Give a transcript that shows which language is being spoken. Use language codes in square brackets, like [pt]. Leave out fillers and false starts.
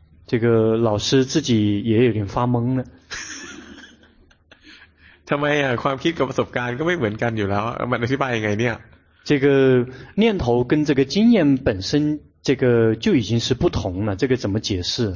[zh] 这个老师自己也有点发懵了 [th] ทำไมอ่ะความคิดกับประสบการณ์ก็ไม่เหมือนกันอยู่แล้วมันอธิบายยังไงเนี่ย [zh] 这个念头跟这个经验本身这个就已经是不同了这个怎么解释